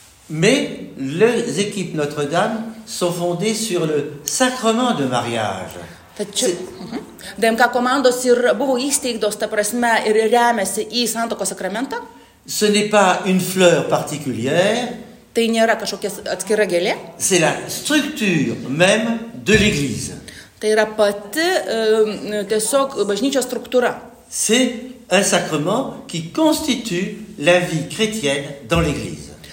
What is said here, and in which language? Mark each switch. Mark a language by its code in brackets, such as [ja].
[fr] Mais les équipes Notre-Dame sont fondées sur le sacrement de mariage. [lt] Tačiau, DMK komandos ir buvo įsteigtos, ta prasme, ir remiasi į santuokos sakramentą. [fr] Ce n'est pas une fleur particulière. [lt] Tai nėra kažkokia atskira gėlė. [fr] C'est la structure même de l'église. [lt] Tai yra pati tiesiog bažnyčios struktūra. [fr] C'est un sacrement qui constitue la vie chrétienne dans l'église.